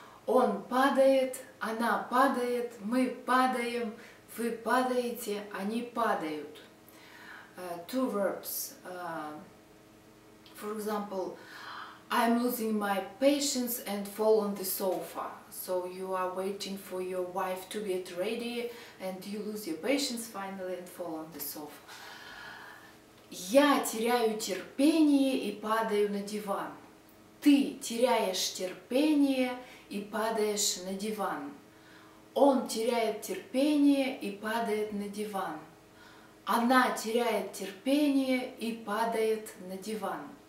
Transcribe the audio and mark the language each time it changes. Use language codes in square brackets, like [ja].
[ru] Он падает, она падает, мы падаем, вы падаете, они падают. [en] Two verbs. For example, I'm losing my patience and fall on the sofa. So you are waiting for your wife to get ready and you lose your patience finally and fall on the sofa. [ru] Я теряю терпение и падаю на диван. Ты теряешь терпение и падаешь на диван. Он теряет терпение и падает на диван. Она теряет терпение и падает на диван.